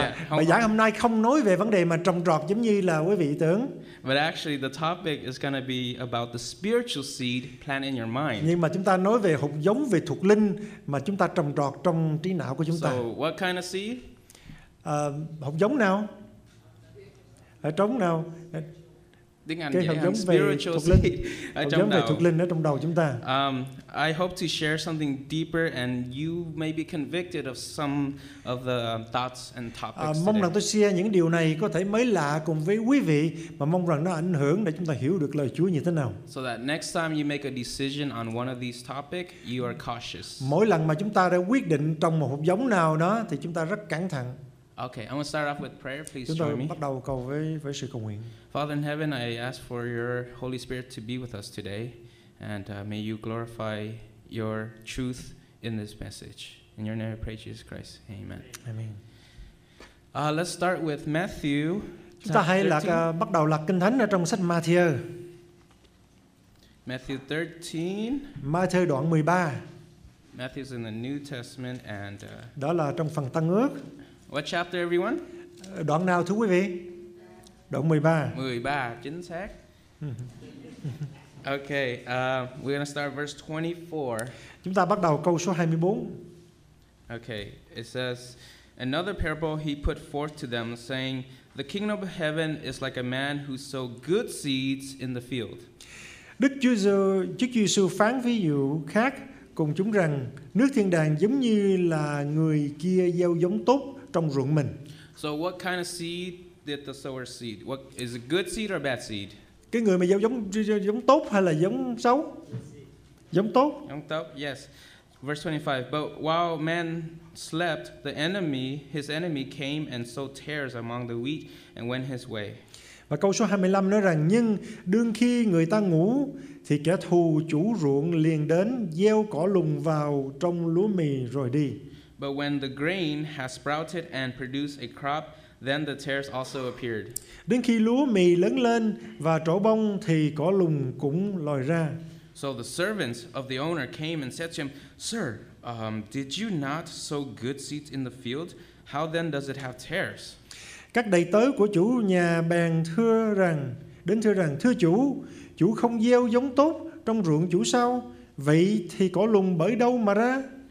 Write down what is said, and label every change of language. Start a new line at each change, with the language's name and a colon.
Vietnamese: Bài giảng hôm nay không nói về vấn đề mà trồng trọt giống như là quý vị tưởng.
English: But actually the topic is gonna be about the spiritual seed planted in your mind.
Vietnamese: Nhưng mà chúng ta nói về hạt giống về thuộc linh mà chúng ta trồng trọt trong trí não của chúng ta.
English: So what kind of seed?
Vietnamese: Hạt giống nào? Trống nào? Tiếng Anh cái hạt giống
English: spiritual
Vietnamese: về thuộc linh, hạt giống về thuộc linh ở trong đầu chúng ta.
English: I hope to share something deeper and you may be convicted of some of the thoughts and topics.
Vietnamese: Mong rằng tôi share những điều này có thể mới lạ cùng với quý vị, mà mong rằng nó ảnh hưởng để chúng ta hiểu được lời Chúa như thế nào.
English: So that next time you make a decision on one of these topics, you are cautious.
Vietnamese: Mỗi lần mà chúng ta đã quyết định trong một hạt giống nào đó thì chúng ta rất cẩn thận.
English: Okay, I'm going to start off with prayer. Please
Vietnamese: chúng ta
English: join me.
Vietnamese: Bắt đầu cầu với sự cầu nguyện.
English: Father in heaven, I ask for your Holy Spirit to be with us today, and may you glorify your truth in this message. In your name, I pray, Jesus Christ. Amen. Amen. Let's start with Matthew.
Vietnamese: Chúng ta hãy lật bắt đầu lật Kinh Thánh ở trong sách Matthew.
English: Matthew 13.
Vietnamese: Matthew đoạn 13.
English: Matthew's in the New Testament and
Vietnamese: đó là trong phần Tân Ước.
English: What chapter, everyone?
Vietnamese: Đoạn nào thưa quý vị? Đoạn 13.
English: 13,
Vietnamese: chính xác.
English: Okay, we're going to start verse 24.
Vietnamese: Chúng ta bắt đầu câu số 24.
English: Okay, it says, another parable he put forth to them, saying, the kingdom of heaven is like a man who sowed good seeds in the field.
Vietnamese: Đức Chúa Giêsu phán ví dụ khác cùng chúng rằng nước thiên đàng giống như là người kia gieo giống tốt trong ruộng mình.
English: So what kind of seed did the sower seed? What is a good seed or bad seed?
Vietnamese: Cái người mà gieo giống tốt hay là giống xấu? Giống tốt. Giống tốt. Yes.
English: Verse 25. But while man slept, his enemy came and sowed tares among the wheat and went his way.
Vietnamese: Và câu số 25 nói rằng nhưng đương khi người ta ngủ thì kẻ thù chủ ruộng liền đến gieo cỏ lùng vào trong lúa mì rồi đi.
English: But when the grain has sprouted and produced a crop, then the tares also appeared.
Vietnamese: Đến khi lúa mì lớn lên và trổ bông thì cỏ lùng cũng lòi ra.
English: So the servants of the owner came and said to him, "Sir, did you not sow good seeds in the field? How then does it have tares?"
Vietnamese: Các đầy tớ của chủ nhà bèn thưa rằng, "Thưa chủ không gieo giống tốt trong ruộng chủ sao? Vậy thì cỏ lùng bởi đâu mà ra?"